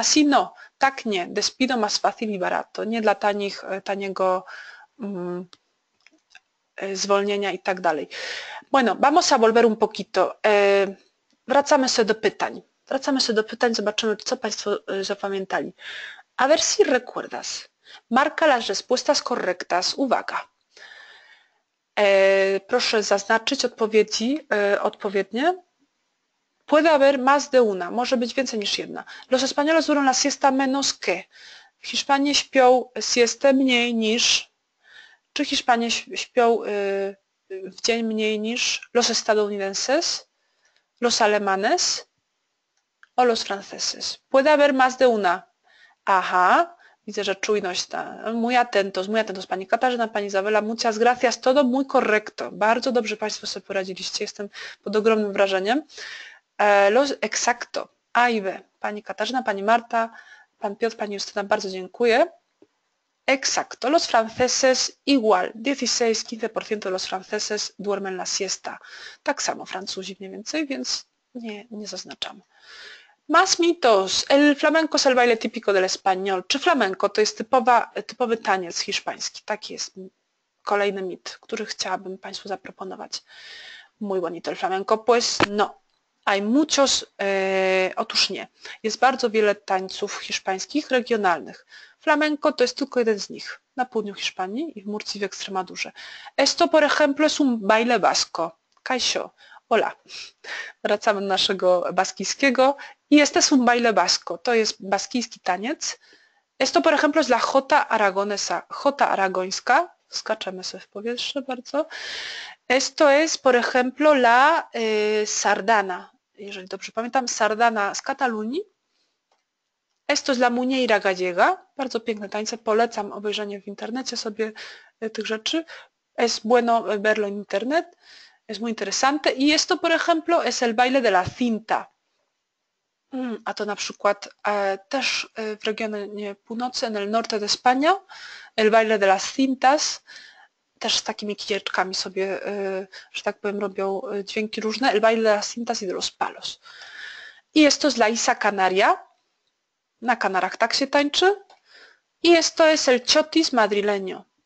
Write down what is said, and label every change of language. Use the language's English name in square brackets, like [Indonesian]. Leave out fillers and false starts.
[Spanish] Así no, [Polish] tak nie, [Spanish] despido más fácil y barato, [Polish] nie dla taniego zwolnienia i tak dalej. [Spanish] Bueno, vamos a volver un poquito. [Polish] Wracamy sobie do pytań. Wracamy sobie do pytań, zobaczymy, co Państwo zapamiętali. [Spanish] A ver si recuerdas. Marca las respuestas correctas. [Polish] Uwaga. Proszę zaznaczyć odpowiedzi odpowiednie. [Spanish] Puede haber más de una. [Polish] Może być więcej niż jedna. [Spanish] Los españoles duran la siesta menos que. [Polish] W Hiszpanii śpią siestę mniej niż... Czy Hiszpanie śpią w dzień mniej niż [Spanish] los estadounidenses, los alemanes o los franceses? Puede haber más de una. [Polish] Aha, widzę, że czujność ta. [Spanish] Muy atentos. Pani Katarzyna, pani Izabela, muchas gracias, todo muy correcto. [Polish] Bardzo dobrze Państwo sobie poradziliście, jestem pod ogromnym wrażeniem. Los exacto, A i B. Pani Katarzyna, pani Marta, pan Piotr, pani Justyna, bardzo dziękuję. [Spanish] Exacto, los franceses igual, 16-15% de los franceses duermen la siesta. [Polish] Tak samo Francuzi mniej więcej, więc nie zaznaczam. [Spanish] Más mitos. El flamenco es el baile típico del español. [Polish] Czy flamenco to jest typowy taniec hiszpański? Taki jest kolejny mit, który chciałabym Państwu zaproponować. [Spanish] Muy bonito el flamenco. Pues no. Hay muchos. [Polish] Otóż nie. Jest bardzo wiele tańców hiszpańskich regionalnych. Flamenco to jest tylko jeden z nich na południu Hiszpanii i w Murcji w Ekstremadurze. [Spanish] Esto, por ejemplo, es un baile basco. [Polish] Kasio, hola. Wracamy do naszego baskijskiego. [Spanish] Y este es un baile basco. [Polish] To jest baskijski taniec. [Spanish] Esto, por ejemplo, es la jota aragonesa. [Polish] Jota aragońska. Skaczemy sobie w powietrze bardzo. [Spanish] Esto es, por ejemplo, la sardana. [Polish] Jeżeli dobrze pamiętam, sardana z Katalonii. [Spanish] Esto es la muñeira gallega. [Polish] Bardzo piękne tańce. Polecam obejrzenie w internecie sobie tych rzeczy. [Spanish] Es bueno verlo en internet. Es muy interesante. Y esto, por ejemplo, es el baile de la cinta. [Polish] A to na przykład też w regionie północy, [Spanish] en el norte de España, el baile de las cintas, też z takimi kijeczkami sobie, że tak powiem, robią dźwięki różne, el baile de las cintas y de los palos. [Polish] I jest to z La Isa Canaria, na Kanarach tak się tańczy. I jest to [Spanish] es el chotis madrileño.